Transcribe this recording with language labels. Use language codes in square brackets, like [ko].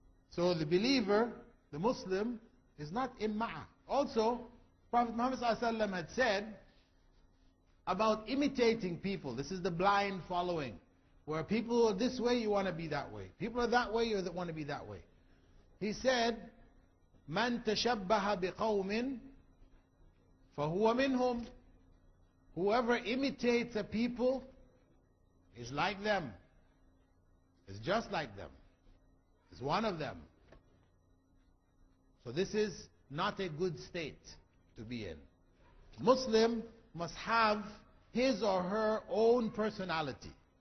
[en] So the believer, the Muslim, is not imma'a. Also, Prophet Muhammad ﷺ had said about imitating people. This is the blind following. Where people are this way, you want to be that way. People are that way, you want to be that way. [ar] He said, مَنْ تَشَبَّهَ بِقَوْمٍ فَهُوَ مِنْهُمْ. [en] Whoever imitates a people is like them. Is just like them. Is one of them. So this is not a good state to be in. Muslim must have his or her own personality.